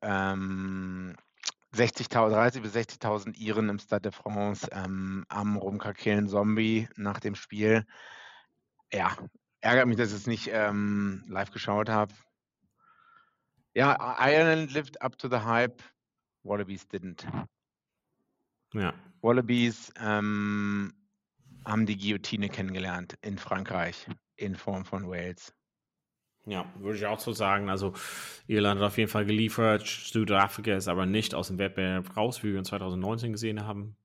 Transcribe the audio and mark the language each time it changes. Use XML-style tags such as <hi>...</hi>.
<de>30.000 bis 60.000 Iren im Stade de France am rumkakelen Zombie nach dem Spiel. Ja, ärgert mich, dass ich es nicht live geschaut habe.</de> <en>Ja, Ireland lived up to the hype. Wallabies didn't.</en> <de>Ja. Wallabies haben die Guillotine kennengelernt in Frankreich in Form von Wales. Ja, würde ich auch so sagen. Also Irland hat auf jeden Fall geliefert. Südafrika ist aber nicht aus dem Wettbewerb raus, wie wir in 2019 gesehen haben.</de>